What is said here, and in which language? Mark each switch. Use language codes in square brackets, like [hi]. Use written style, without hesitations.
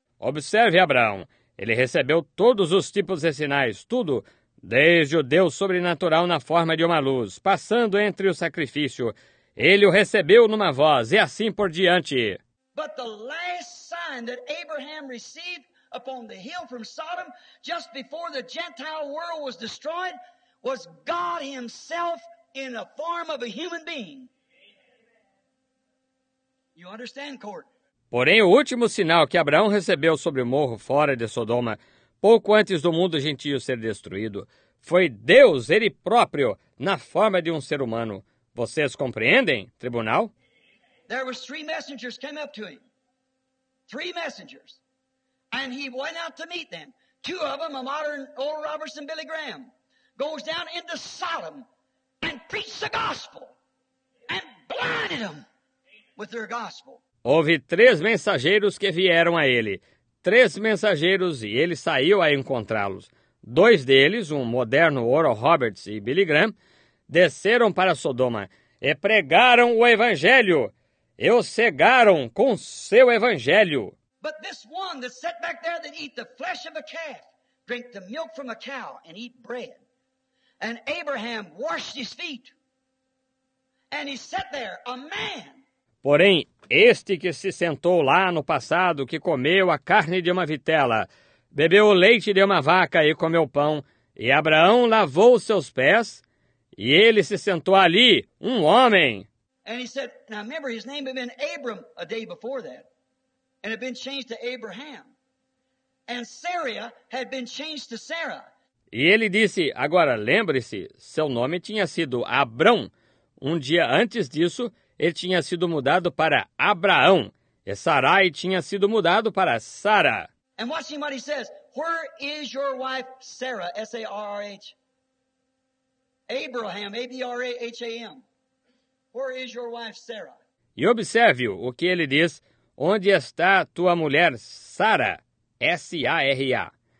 [pt] Observe Abraão. Ele recebeu todos os tipos de sinais, tudo, desde o Deus sobrenatural na forma de uma luz, passando entre o sacrifício. Ele o recebeu numa voz, e assim por diante. [en] But the last sign that Abraham received upon the hill from Sodom, just before the Gentile world was destroyed, was God himself in the form of a human being. You understand, Court? [pt] Porém, o último sinal que Abraão recebeu sobre o morro fora de Sodoma, pouco antes do mundo gentio ser destruído, foi Deus, ele próprio, na forma de um ser humano. Vocês compreendem, tribunal? [en] There were three messengers came up to him. Three messengers. And he went out to meet them. Two of them, a modern old Robertson Billy Graham, goes down into Sodom and preached the gospel and blinded them with their gospel. [pt] Houve três mensageiros que vieram a ele. Três mensageiros e ele saiu a encontrá-los. Dois deles, um moderno Oral Roberts e Billy Graham, desceram para Sodoma e pregaram o evangelho. E o cegaram com seu evangelho. [en] But this one that sat back there that eat the flesh of a calf, drink the milk from a cow and eat bread. And Abraham washed his feet. And he sat there, a man. [pt] Porém, este que se sentou lá no passado, que comeu a carne de uma vitela, bebeu o leite de uma vaca e comeu pão, e Abraão lavou seus pés, e ele se sentou ali, um homem. [en] And he said, now remember, his name had been Abram a day before that, and had been changed to Abraham, and Sarah had been changed to Sarah. [pt] E ele disse, agora lembre-se, seu nome tinha sido Abrão. Um dia antes disso, ele tinha sido mudado para Abraão, e Sarai tinha sido mudado para Sara. [en] And watch what he says. Where is your wife Sarah? S-A-R-R-H. Abraham, A-B-R-A-H-A-M. Where is your wife Sarah? [pt] E observe o que ele diz. Onde está tua mulher Sara? S-A-R-A.